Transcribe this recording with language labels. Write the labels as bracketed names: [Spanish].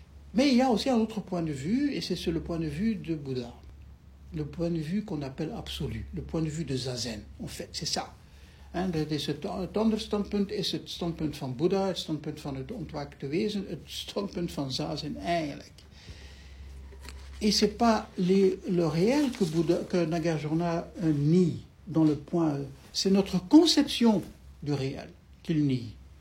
[French] Mais il y a aussi un autre point de vue, et c'est sur le point de vue de Bouddha. Le point de vue qu'on appelle absolu, le point de vue de Zazen, en fait, c'est ça. [Dutch] Hein, het andere standpunt is het standpunt van Bouddha, het standpunt van het ontwaakte wezen, het standpunt van Zazen eigenlijk. [French] Et ce n'est pas le réel que Nagarjuna nie dans le point... C'est notre conception du réel qu'il nie.